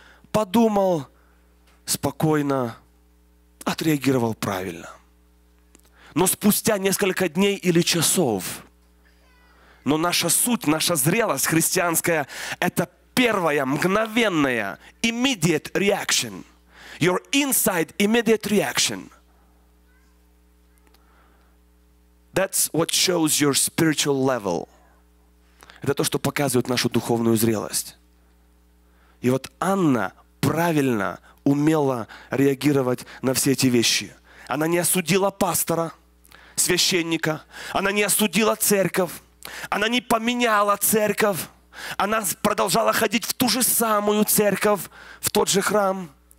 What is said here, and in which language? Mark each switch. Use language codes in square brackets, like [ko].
[ru] Подумал спокойно, отреагировал правильно. Но спустя несколько дней или часов, но наша суть, наша зрелость христианская, это первая, мгновенная, [en] immediate reaction. Your inside immediate reaction. That's what shows your spiritual level. [ru] Это то, что показывает нашу духовную зрелость. И вот Анна правильно умела реагировать на все эти вещи. Она не осудила пастора, священника. Она не осудила церковь. Она не поменяла церковь. Она продолжала ходить в ту же самую церковь, в тот же храм.